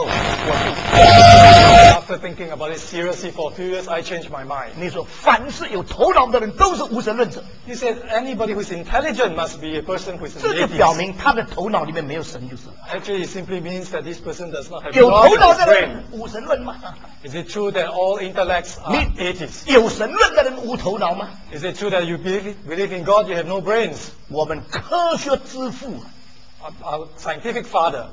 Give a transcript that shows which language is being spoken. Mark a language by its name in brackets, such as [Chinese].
[Chinese] 但是呢,我想过几年以后,我就。 [English] After thinking about it seriously for a few years, I changed my mind. [Chinese] 你说,凡是有头脑的人都是无神论者。 [English] He said, anybody who is intelligent must be a person who is an atheist. [Chinese] 这就表明他的头脑里面没有神就是了。 [English] Actually, it simply means that this person does not have [Chinese] ,有头脑的人无神论吗? [English] Is it true that all intellects are atheists? [Chinese] 有神论的人无头脑吗? [English] Is it true that you believe in God, you have no brains? [Chinese] 我们科学之父, [English] our scientific father,